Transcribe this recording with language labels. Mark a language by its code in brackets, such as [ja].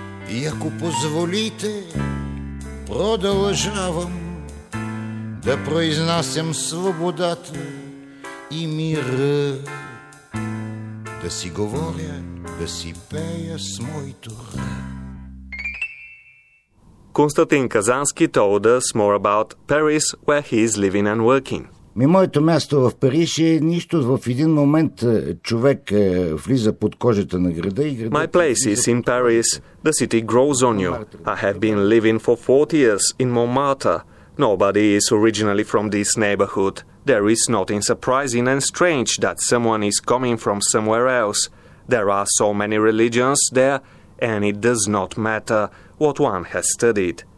[bg] И ако позволите, продължавам да произнасям свободата и мира, да си говоря, да си пея с моето р. [en] Константин Казански told us more about Paris, where he is living and working. [bg] Моето място в Париж е нищо. В един момент човек влиза под кожата на града и града. [en] My place is in Paris. The city grows on you. I have been living for 40 years in Montmartre. Nobody is originally from this neighborhood. There is nothing surprising and strange that someone is coming from somewhere else. There are so many religions there, and it does not matter what one has studied.